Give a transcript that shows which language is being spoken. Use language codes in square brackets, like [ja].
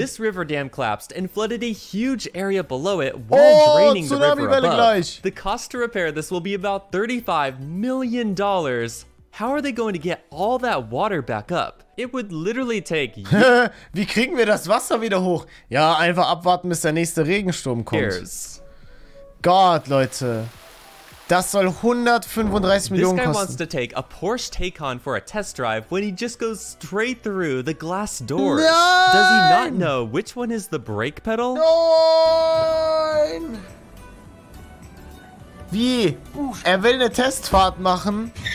[en] This river dam collapsed and flooded a huge area below it while draining the river above. [de] Gleich. [en] The cost to repair this will be about $35 million. How are they going to get all that water back up? It would literally take [de] Wie kriegen wir das Wasser wieder hoch? Ja, einfach abwarten, bis der nächste Regensturm kommt. Gott, Leute. Das soll 135 Millionen kosten. [en] This guy wants to take a Porsche Taycan for a test drive when he just goes straight through the glass doors. [de] Nein! [en] Does he not know which one is the brake pedal? [de] Nein! Wie? Er will eine Testfahrt machen.